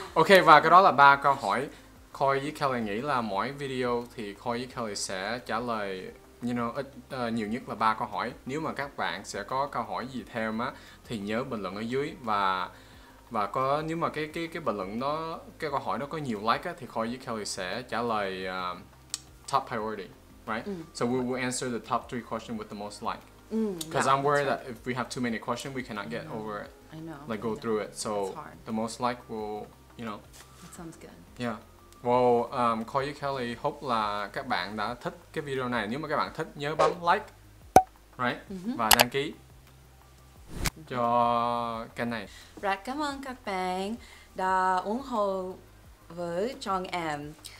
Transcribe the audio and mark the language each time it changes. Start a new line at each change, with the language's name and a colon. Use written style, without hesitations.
English: Okay.
Vietnamese: Và cái đó là ba câu hỏi. Khoi với Kelli nghĩ là mỗi video thì Khoi với Kelli sẽ trả lời,
English: you know,
Vietnamese: nhiều nhất là ba câu hỏi. Nếu mà các bạn sẽ có câu hỏi gì thêm á, thì nhớ bình luận ở dưới và có nếu mà cái bình luận đó, cái câu hỏi đó có nhiều like á, thì Khoi với Kelli sẽ trả lời
English: top priority, right? Mm. So we will answer the top three question with the most like. Because I'm worried that if we have too many questions, we cannot get over it. I know. Like, go through it. So, the most like will, you know. That sounds good. Yeah.
Vietnamese: Well, Khoi với Kelli, hope là các bạn đã thích cái video này. Nếu mà các bạn thích, nhớ bấm like,
English: right? Mm-hmm.
Vietnamese: Và đăng ký. cho kênh này. Rất cảm ơn các bạn đã ủng hộ với chồng em.